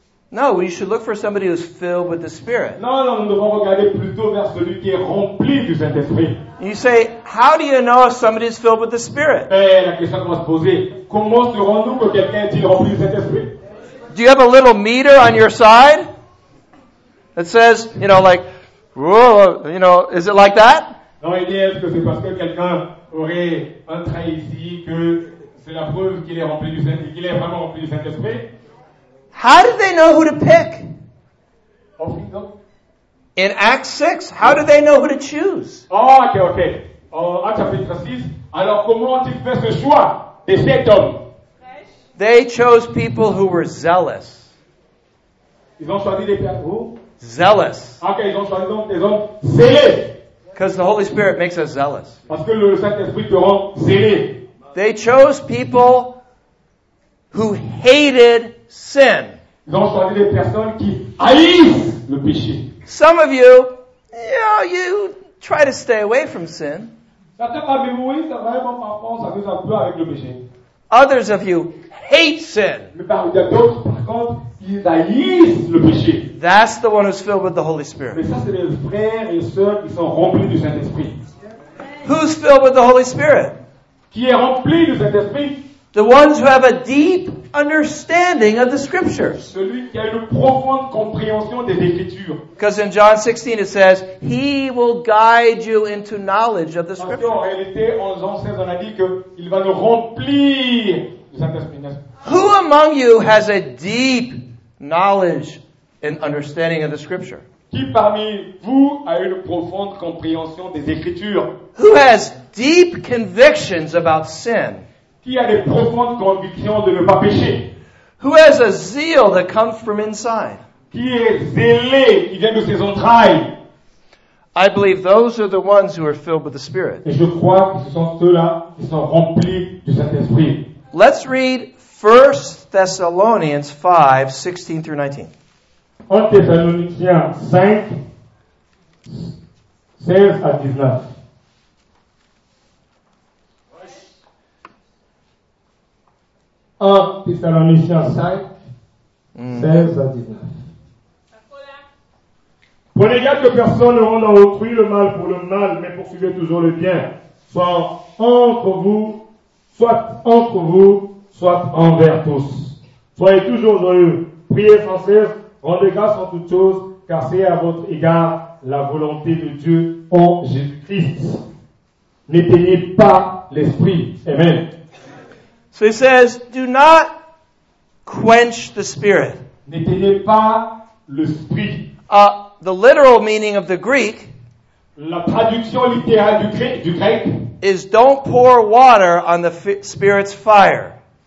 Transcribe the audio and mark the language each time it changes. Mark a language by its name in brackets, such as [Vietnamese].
[English] No, we should look for somebody who's filled with the Spirit. [French] Non, nous devons regarder plutôt vers celui qui est rempli du Saint-Esprit. [English] You say, how do you know if somebody is filled with the Spirit? [French] La question qu'on va se poser, comment saurons-nous que quelqu'un est-il rempli du Saint-Esprit? [English] Do you have a little meter on your side that says, you know, like, you know, is it like that? [French] Non, il dit, est-ce que c'est parce que quelqu'un aurait un trait ici que c'est la preuve qu'il est rempli du Saint-Esprit, qu'il est vraiment rempli du Saint-Esprit? [English] How did they know who to pick? Oh, in Acts 6, how did they know who to choose? Oh, okay. [French] Acts chapitre 6, alors comment ont-ils fait ce choix des sept hommes? [English] They chose people who were zealous. [French] Ils ont choisi des pères où? [English] Zealous. [French] Okay, ils ont choisi donc des hommes zélés. [English] Because the Holy Spirit makes us zealous. [French] Parce que le Saint-Esprit te rend zélé. [English] They chose people who hated sin. [French] Ils ont choisi des personnes qui haïssent le péché. [English] Some of you, you know, you try to stay away from sin. [French] Certains parmi vous, oui, c'est vraiment parfois, ça vous a peur avec le péché. [English] Others of you hate sin. [French] Mais parmi d'autres, par contre, ils haïssent le péché. [English] That's the one who's filled with the Holy Spirit. [French] Mais ça, c'est les frères et sœurs qui sont remplis du Saint-Esprit. [English] Who's filled with the Holy Spirit? [French] Qui est rempli du Saint-Esprit? [English] The ones who have a deep understanding of the Scriptures. [French] Celui qui a une profonde compréhension des Écritures. [English] Because in John 16 it says, He will guide you into knowledge of the Scriptures. [French] Parce qu'en réalité, en Jean 16, on a dit qu'il va nous remplir. [English] Who among you has a deep knowledge and understanding of the Scripture? [French] Qui parmi vous a une profonde compréhension des Écritures? [English] Who has deep convictions about sin? [French] Qui a des profondes convictions de ne pas pécher? [English] Who has a zeal that comes from inside? [French] Qui est zélé, qui vient de ses entrailles? [English] I believe those are the ones who are filled with the Spirit. [French] Et je crois que ce sont ceux-là qui sont remplis du Saint-Esprit. [English] Let's read 1 Thessalonians 5, 16-19. [French] 1 Thessaloniciens 5, 16 à 19. Un Thessaloniciens 5, 16 à 19. Prenez garde que personne ne rende à autrui le mal pour le mal, mais poursuivez toujours le bien, soit entre vous, soit envers tous. Soyez toujours joyeux, priez sans cesse, rendez grâce en toutes choses, car c'est à votre égard la volonté de Dieu en Jésus-Christ. N'éteignez pas l'esprit. Amen. [English] So he says, do not quench the spirit. [French] N'éteignez pas l'esprit. [English] The literal meaning of the Greek, [French] la traduction littérale du grec [English] is don't pour water on the spirit's fire.